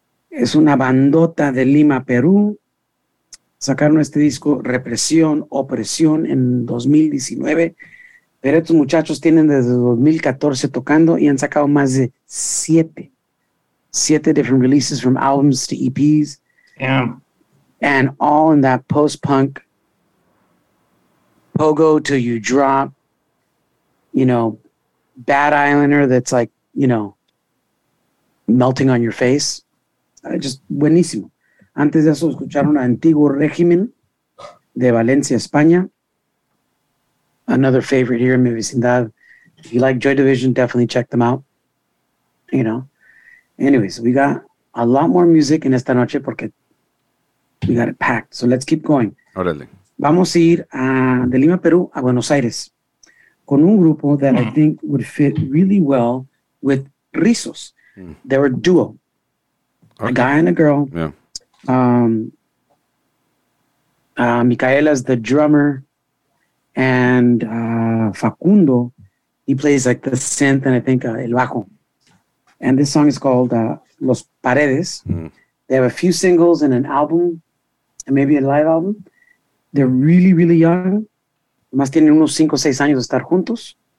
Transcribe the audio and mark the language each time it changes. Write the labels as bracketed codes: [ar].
[es] Es una bandota de Lima, Perú. Sacaron este disco Represión, Opresión en 2019. Pero estos muchachos tienen desde 2014 tocando y han sacado más de siete [en] different releases from albums to EPs. Yeah. And all in that post-punk Pogo Till You Drop, you know, Bad Islander that's like, you know, melting on your face. [es] Just buenísimo. Antes de eso escucharon Antiguo Régimen de Valencia, España. [en] Another favorite here in mi vecindad. If you like Joy Division, definitely check them out. You know. Anyways, we got a lot more music [es] en esta noche porque [en] we got it packed. So let's keep going. [es] Órale. Vamos a ir de Lima, Perú, a Buenos Aires con un grupo [en] that I think would fit really well with Rizos. They're a duo. Okay. A guy and a girl. Yeah. Micaela's the drummer. And Facundo, he plays like the synth and I think [es] el bajo. [en] And this song is called Los Paredes. Mm. They have a few singles and an album, and maybe a live album. They're really, really young. [es] Más tienen unos 5 o 6 años de estar juntos.